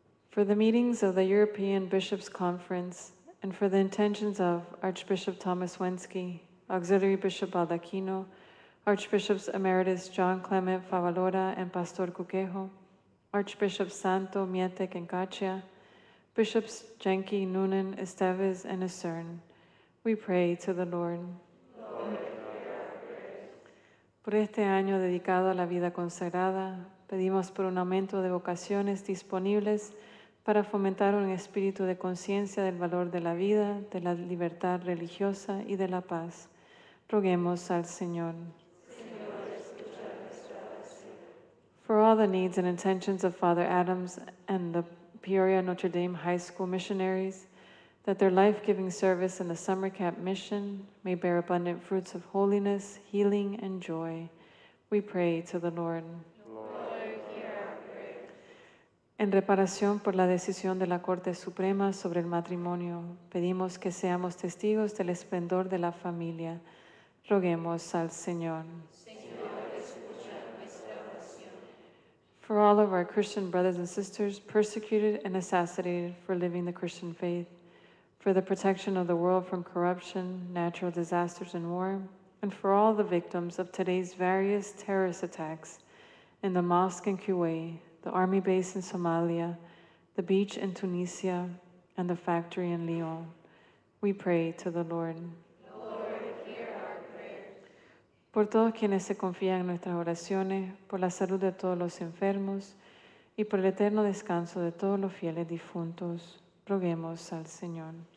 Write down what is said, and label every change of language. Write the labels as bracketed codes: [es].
[en] For the meetings of the European Bishops' Conference and for the intentions of Archbishop Thomas Wenzke, Auxiliary Bishop Baldacchino, Archbishops Emeritus John Clement Favalora and Pastor Cuquejo, Archbishop Santo Mietek and Kachia, Bishops Jenki, Noonan, Esteves, and Acern, we pray to the Lord. [es] Por este año dedicado a la vida consagrada, pedimos por un aumento de vocaciones disponibles para fomentar un espíritu de conciencia del valor de la vida, de la libertad religiosa y de la paz. Roguemos al Señor. [en] For all the needs and intentions of Father Adams and the Peoria Notre Dame High School missionaries, that their life-giving service in the summer camp mission may bear abundant fruits of holiness, healing, and joy, we pray to the Lord. [es] En reparación por la decisión de la Corte Suprema sobre el matrimonio, pedimos que seamos testigos del esplendor de la familia. Roguemos al Señor. Señor, escucha nuestra oración. [en] For all of our Christian brothers and sisters persecuted and assassinated for living the Christian faith, for the protection of the world from corruption, natural disasters and war, and for all the victims of today's various terrorist attacks in the mosque in Kuwait, the army base in Somalia, the beach in Tunisia, and the factory in Lyon. We pray to the Lord. Lord, hear our prayers. [es] Por todos quienes se confían en nuestras oraciones, por la salud de todos los enfermos, y por el eterno descanso de todos los fieles difuntos, roguemos al Señor.